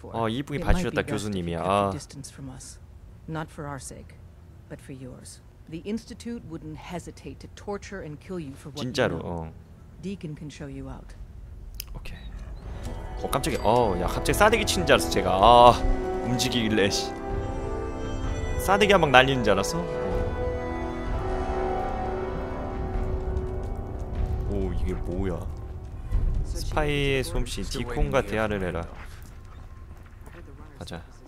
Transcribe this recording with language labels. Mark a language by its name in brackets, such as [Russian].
[Korean] 이쁘게 봐주셨다 교수님이야. [English] Not for our sake, but for yours. The Institute wouldn't hesitate to torture and kill you for what. [Korean] 진짜로. [English] Deacon can show you out. [Korean] Okay. 깜짝이야. 야 갑자기 싸대기 치는 줄 알았어 제가. 움직이길래. 싸대기가 막 날리는 줄 알았어. 이게 뭐야? 스파이의 솜씨 디콘과 대화를 해라. 가자.